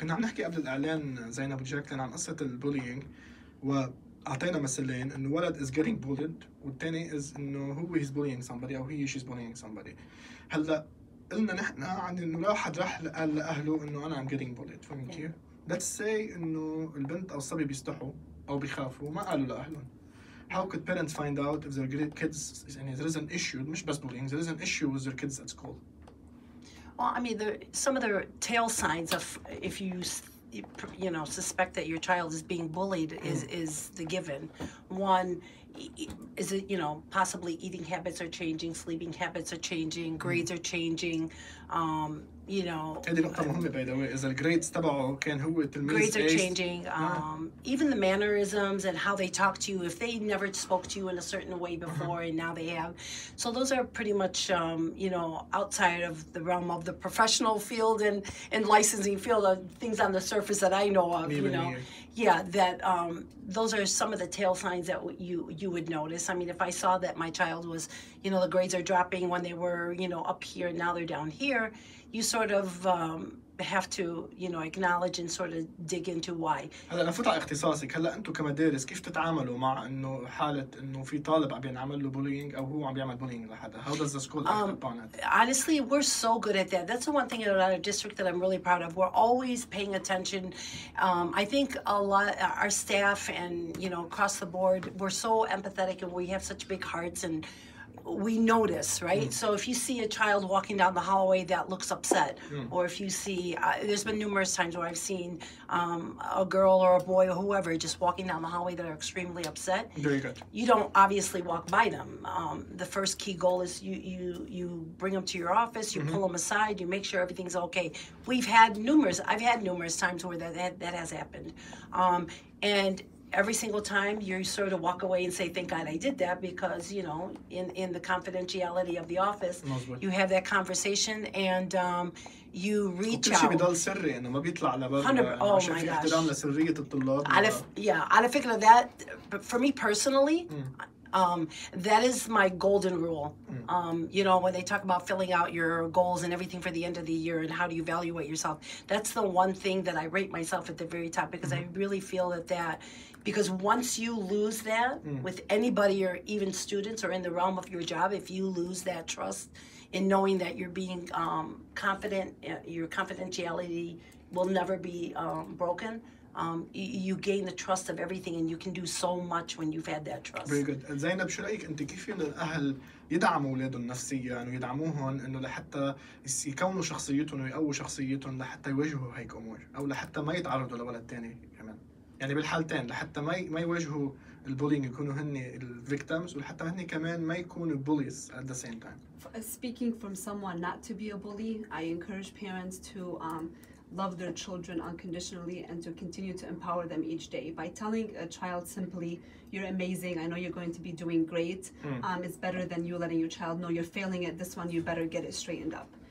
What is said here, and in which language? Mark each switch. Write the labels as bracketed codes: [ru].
[ar] كنا عم نحكي قبل الإعلان زينب وجاكلين عن قصة البولينج, وأعطينا مثلين إنه ولد [en] is getting bullied [ar] والتاني is إنه هو [en] is bullying somebody [ar] أو هي [en] she's bullying somebody. [ar] هلأ قلنا نحن عن إنه لو حد راح قال لأهله إنه أنا [en] I'm getting bullied, [ar] فهمت كيف؟ [en] Let's say [ar] إنه البنت أو الصبي بيستحوا أو بيخافوا ما قالوا لأهلهم. [en] How could parents find out if their kids, and there is an issue, [ar] مش بس [en] bullying, there is an issue with their kids at school? Well, I mean, there some of the tail signs of if you, you know, suspect that your child is being bullied is the given. One, is it, you know, possibly eating habits are changing, sleeping habits are changing, grades are changing, you know. [ar] هذه نقطة مهمة, [en] by the way, [ar] إذا grades تبعه كان هو تلميذ [en] grades are changing, even the mannerisms and how they talk to you, if they never spoke to you in a certain way before and now they have. So those are pretty much, you know, outside of the realm of the professional field and licensing field, things on the surface that I know of, you know. Yeah, that those are some of the tail signs that you would notice. I mean, if I saw that my child was, you know, the grades are dropping when they were, you know, up here and now they're down here, you sort of have to, you know, acknowledge and sort of dig into why. [ar] هلا نفوت على اختصاصك, هلا انتم كمدارس كيف تتعاملوا مع انه حاله انه في طالب عم بيعمل له بولينج او هو عم بيعمل بولينج لحدا؟ [en] How does the school act upon it? Honestly, we're so good at that. That's the one thing about our district that I'm really proud of. We're always paying attention. I think a lot our staff and, you know, across the board, we're so empathetic and we have such big hearts and we notice, right? So if you see a child walking down the hallway that looks upset, or if you see, there's been numerous times where I've seen a girl or a boy or whoever just walking down the hallway that are extremely upset. Very good. You don't obviously walk by them. The first key goal is you bring them to your office, you pull them aside, you make sure everything's okay. I've had numerous times where that has happened. And every single time you sort of walk away and say, thank God I did that, because, you know, in the confidentiality of the office, you have that conversation and you reach out. [ar] كل شيء بيضل سري انه ما بيطلع لبرا. [en] Oh my gosh. [ar] في احترام لسرية الطلاب. على فكرة [en] that, for me personally, that is my golden rule. You know, when they talk about filling out your goals and everything for the end of the year and how do you evaluate yourself, that's the one thing that I rate myself at the very top, because I really feel that because once you lose that with anybody or even students or in the realm of your job, if you lose that trust in knowing that you're being confident, your confidentiality will never be broken, you gain the trust of everything and you can do so much when you've had that trust. Very good. [ar] Zainab, شو رأيك أنت كيف فين الأهل يدعموا أولادهم نفسيا ويدعموهم أنه لحتى يكونوا شخصيتهم ويقووا شخصيتهم لحتى يواجهوا هيك أمور أو لحتى ما يتعرضوا لولد تاني كمان؟ يعني بالحالتين لحتى ما يواجهوا البولينج يكونوا هني الفيكتمز ولحتى هني كمان ما يكونوا بوليز [en] at the same time. Speaking from someone not to be a bully, I encourage parents to love their children unconditionally and to continue to empower them each day by telling a child simply, you're amazing, I know you're going to be doing great. It's better than you letting your child know you're failing at this one, you better get it straightened up.